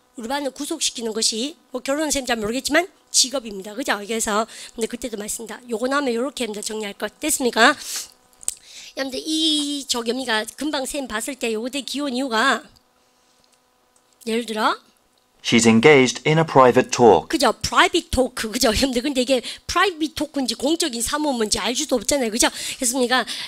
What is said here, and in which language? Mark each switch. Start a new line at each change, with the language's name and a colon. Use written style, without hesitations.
Korean: 우리반을 구속시키는 것이 뭐 결혼은 선생님 잘 모르겠지만 직업입니다. 그죠? 그래서 근데 그때도 많이 씁니다. 요거 나오면 이렇게 합니다. 정리할 것 됐습니까? 근데 이 저겸이가 금방 선생님 봤을 때 요거 되게 귀여운 이유가 예를 들어
English: She's engaged in a private talk.
Korean: 그죠? private talk. 그죠? 근데 이게 private talk인지 공적인 사모임인지 알 수도 없잖아요. 그죠? 그렇습니까?